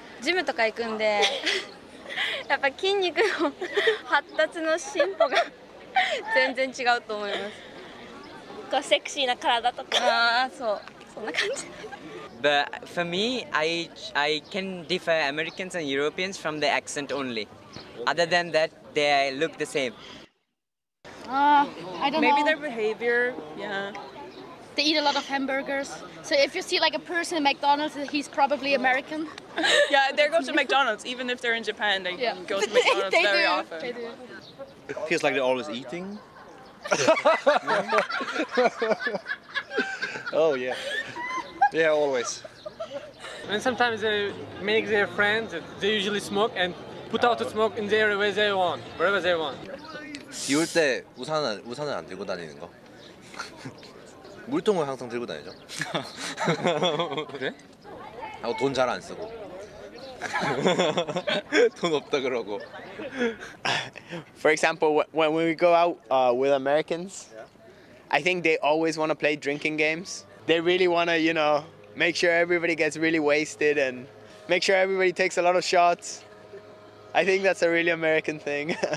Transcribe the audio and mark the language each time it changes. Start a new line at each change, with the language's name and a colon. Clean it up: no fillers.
Japanese: ジムとか行くんで、やっぱ筋肉の発達の進歩が全然違うと思います。セクシーな体とか、そう、そんな感じ。
English: But for me, I can differ Americans and Europeans from the accent only. Other than that, they look the same. I don't Maybe know. Their behavior, yeah. They eat a lot of hamburgers. So if you see like a person in McDonald's, he's probably American. Yeah, they go to McDonald's. Even if they're in Japan, they go to McDonald's very often. It feels like they're always eating. Oh, yeah. Yeah, always. And sometimes they make their friends, they usually smoke and put out the smoke in there where they want, wherever they want.
Korean: 비올 때 우산은 안 들고 다니는 거? 물통을 항상 들고 다니죠? 그래? 하고 돈 잘 안 쓰고 돈 없다 그러고
English: For example, when we go out with Americans, I think they always want to play drinking games. They really want to, you know, make sure everybody gets really wasted and make sure everybody takes a lot of shots. I think that's a really American thing.